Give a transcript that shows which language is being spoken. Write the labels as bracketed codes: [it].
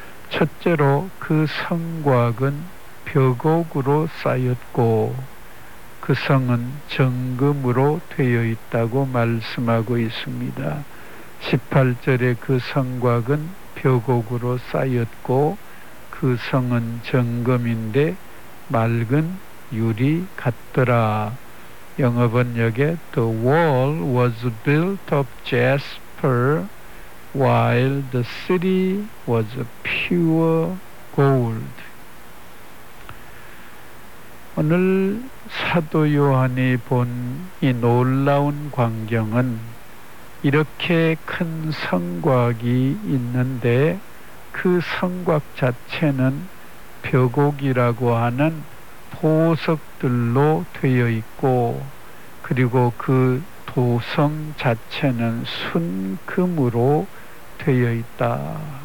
[ko] 첫째로 그 성곽은 벽옥으로 쌓였고 그 성은 정금으로 되어 있다고 말씀하고 있습니다. 18절에 그 성곽은 벽옥으로 쌓였고 그 성은 정금인데 맑은 유리 같더라. [en] 영어 번역에 The wall was built of jasper while the city was pure gold. [ko] 오늘 사도 요한이 본 이 놀라운 광경은 이렇게 큰 성곽이 있는데 그 성곽 자체는 벽옥이라고 하는 보석들로 되어 있고 그리고 그 도성 자체는 순금으로 되어 있다.